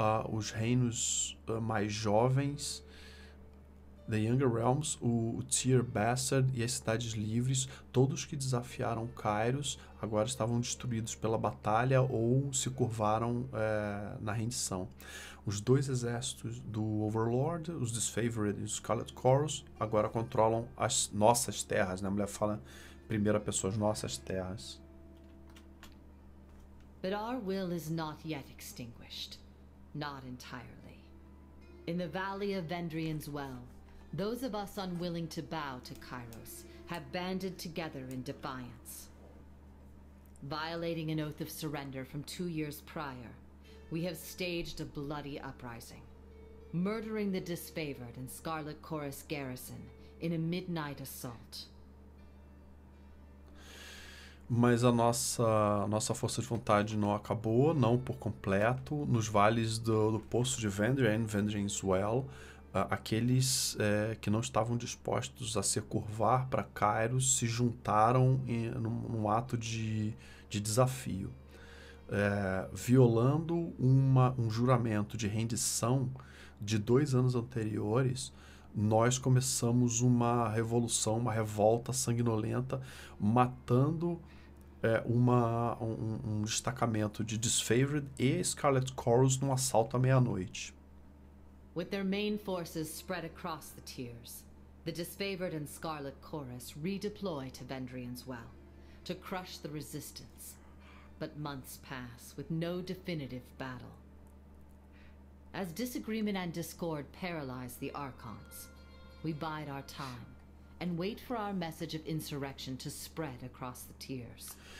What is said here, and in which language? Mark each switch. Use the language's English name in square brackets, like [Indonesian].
[Portuguese] Os reinos mais jovens, The Younger Realms, o Tier Bastard e as Cidades Livres, todos que desafiaram Kairos, agora estavam destruídos pela batalha ou se curvaram na rendição. Os dois exércitos do Overlord, os Disfavored e os Scarlet Chorus, agora controlam as nossas terras, né? A mulher fala em primeira pessoa, as nossas terras. [English] But our will is not yet extinguished. Not entirely. In the Valley of Vendrian's Well, those of us unwilling to bow to Kairos have banded together in defiance. Violating an oath of surrender from 2 years prior, we have staged a bloody uprising, murdering the Disfavored and Scarlet Chorus garrison in a midnight assault. [Portuguese] Mas a nossa força de vontade não acabou, não por completo. Nos vales do Poço de Vendrian, Vendrian's Well, aqueles que não estavam dispostos a se curvar para Kairos se juntaram num ato de desafio. Violando um juramento de rendição de 2 anos anteriores, nós começamos uma revolução, uma revolta sanguinolenta, matando um destacamento de Disfavored e Scarlet Chorus num assalto à meia-noite. [English] With their main forces spread across the tiers, the Disfavored and Scarlet Chorus redeploy to Vendrian's Well to crush the resistance. But months pass with no definitive battle. As disagreement and discord paralyze the Archons, we bide our time and wait for our message of insurrection to spread across the tiers.